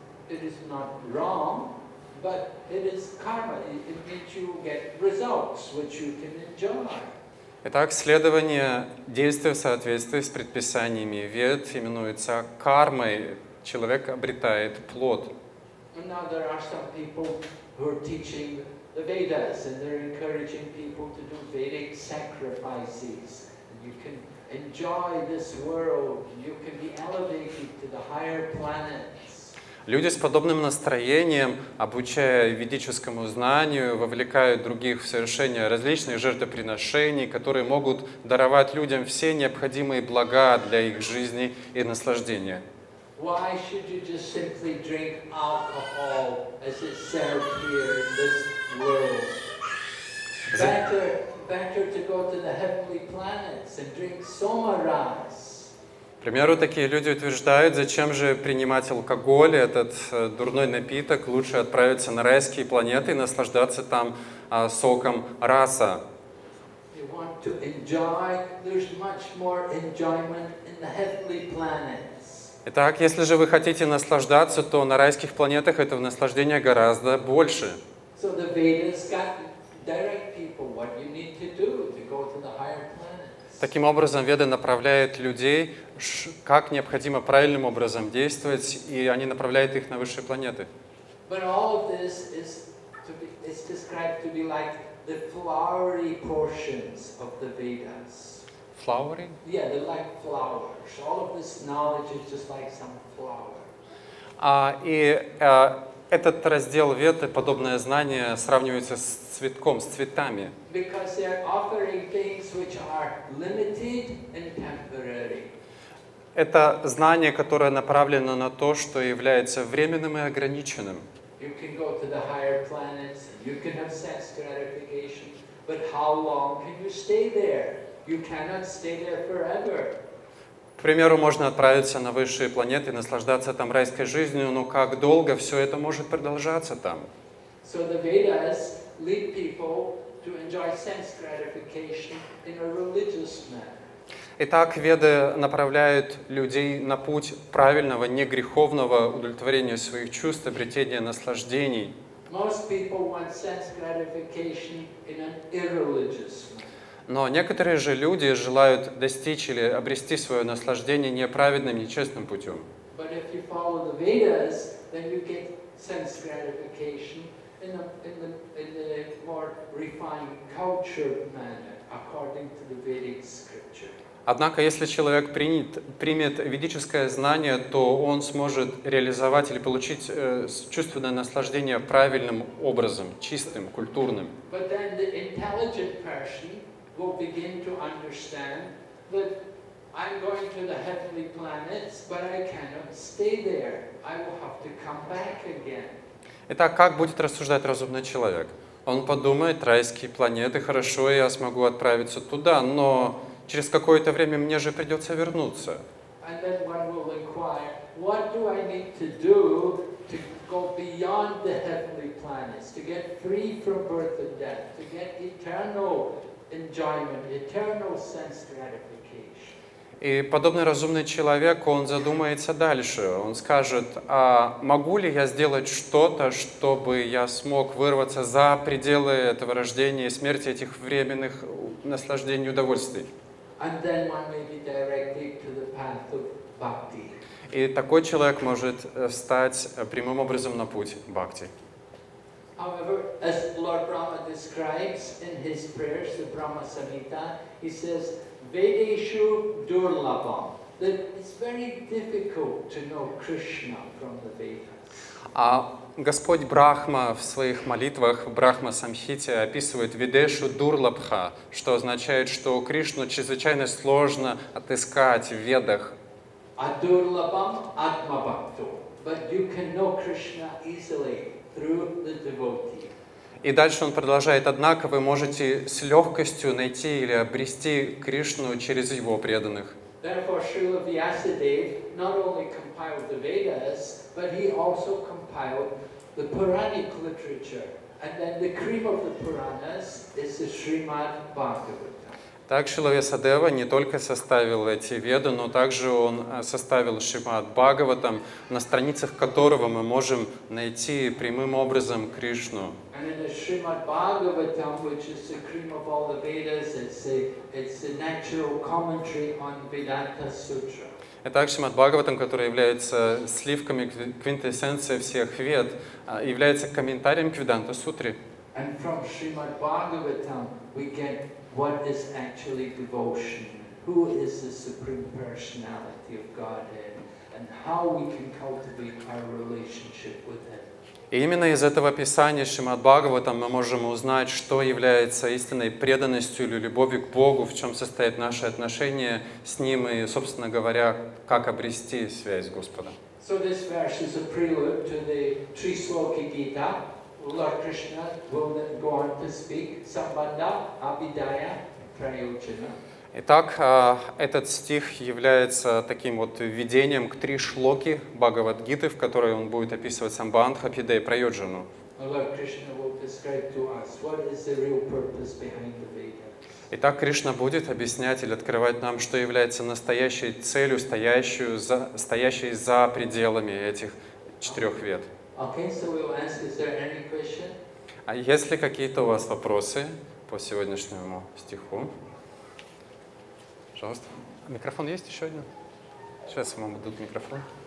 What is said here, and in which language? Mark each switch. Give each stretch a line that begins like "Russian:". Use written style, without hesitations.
English: It is not wrong, but it is karma. It means you get results which you can enjoy.
Russian: Итак, следование действия в соответствии с предписаниями Вед именуется кармой. Человек обретает плод.
English: And now there are some people who are teaching the Vedas, and they're encouraging people to do Vedic sacrifices. You can enjoy this world. You can be elevated to the higher planets.
Russian: Люди с подобным настроением, обучая ведическому знанию, вовлекают других в совершение различных жертвоприношений, которые могут даровать людям все необходимые блага для их жизни и наслаждения.
English: Why should you just simply drink alcohol as it's served here in this world? Better to go to the heavenly planets and drink soma ras.
Russian: К примеру, такие люди утверждают, зачем же принимать алкоголь, этот дурной напиток, лучше отправиться на райские планеты и наслаждаться там соком раса.
English: You want to enjoy, there's much more enjoyment in the heavenly planets.
Russian: Итак, если же вы хотите наслаждаться, то на райских планетах этого наслаждения гораздо больше.
English: So the Vedas got direct people what you need to do to go to the higher planets.
Russian: Таким образом, Веды направляют людей, как необходимо правильным образом действовать, и они направляют их на высшие планеты.
English: But all of this is to be, it's described to be like the flowery portions of the Vedas. Flowery? Yeah, they're like flowers. All of this knowledge is just like some flower.
Russian: Этот раздел Вед и подобное знание сравнивается с цветком, с цветами.
English: Because they're offering things which are limited and temporary.
Russian: Это знание, которое направлено на то, что является временным и ограниченным.
English: You can go to the higher planets, you can have sense gratification, but how long can you stay there? You cannot stay there forever.
Russian: К примеру, можно отправиться на высшие планеты, наслаждаться там райской жизнью, но как долго все это может продолжаться там?
English: So the Vedas lead people to enjoy sense gratification in a religious manner.
Russian: Итак, Веды направляют людей на путь правильного, негреховного удовлетворения своих чувств, обретения наслаждений.
English: Most people want sense gratification in an irreligious way.
Russian: Но некоторые же люди желают достичь или обрести свое наслаждение неправедным, нечестным путем.
English: But if you follow the Vedas, then you get sense gratification in the more refined, cultured manner, according to the Vedic scripture.
Russian: Однако, если человек примет ведическое знание, то он сможет реализовать или получить чувственное наслаждение правильным образом, чистым, культурным.
English: But then the intelligent person will begin to understand that I'm going to the heavenly planets, but I cannot stay there. I will have to come back again.
Russian: Итак, как будет рассуждать разумный человек? Он подумает, райские планеты, хорошо, я смогу отправиться туда, но через какое-то время мне же придется вернуться.
English: And then one will inquire, what do I need to do to go beyond the heavenly planets, to get free from birth and death, to get eternal enjoyment, eternal sense gratification?
Russian: И подобный разумный человек, он задумается дальше. Он скажет, а могу ли я сделать что-то, чтобы я смог вырваться за пределы этого рождения и смерти, этих временных наслаждений и удовольствий?
English: And then one may be directed to the path of bhakti.
Russian: И такой человек может встать прямым образом на путь бхакти.
English: However, as Lord Brahma describes in his prayers, the Brahma Samhita, he says,
Sanskrit: Vedeshu Durlabham,
English: that it's very difficult to know Krishna from the Vedas.
Russian: Господь Брахма в своих молитвах, в Брахма-самхите, описывает
Sanskrit: «Видешу дурлабха»,
Russian: что означает, что Кришну чрезвычайно сложно отыскать в Ведах.
Sanskrit: «А дурлабам атмабхакту».
English: But you can know Krishna easily through the devotee.
Russian: И дальше он продолжает, «Однако вы можете с легкостью найти или обрести Кришну через его преданных».
English: Therefore, Srila Vyasadeva not only compiled the Vedas, but he also compiled the Puranic literature. And then the cream of the Puranas is the Srimad Bhagavatam.
Russian: Так Шрила Вьясадева не только составил эти Веды, но также он составил Шримад Бхагаватам, на страницах которого мы можем найти прямым образом Кришну.
English: And in the Srimad Bhagavatam, which is the cream of all the Vedas, it's a natural commentary on Vedanta Sutra.
Russian: Итак, Шримад Бхагаватам, который является сливками, квинтэссенцией всех Вед, является комментарием к Веданта Сутре.
English: And from Srimad Bhagavatam, we get what is actually devotion, who is the Supreme Personality of Godhead, and how we can cultivate our relationship with Him.
Russian: И именно из этого писания Шримад Бхагаватам мы можем узнать, что является истинной преданностью или любовью к Богу, в чем состоит наше отношение с Ним и, собственно говоря, как обрести связь с Господом.
English: So this verse is a prelude to the Trisloki Gita. Lord Krishna will then go on to speak Sambandha, Abhidaya, Prayojana.
Russian: Итак, этот стих является таким вот введением к три шлоки Бхагавад-гиты, в которой он будет описывать Самбандха, Абхидея и Прайоджану.
English: Lord Krishna will describe to us what is the real purpose behind the Vedas.
Russian: И так Кришна будет объяснять или открывать нам, что является настоящей целью, стоящей за пределами этих четырех вед.
English: Okay, so we'll answer, is there any question?
Russian: А есть ли какие-то у вас вопросы по сегодняшнему стиху? Пожалуйста. Микрофон есть еще один? Сейчас вам дадут микрофон.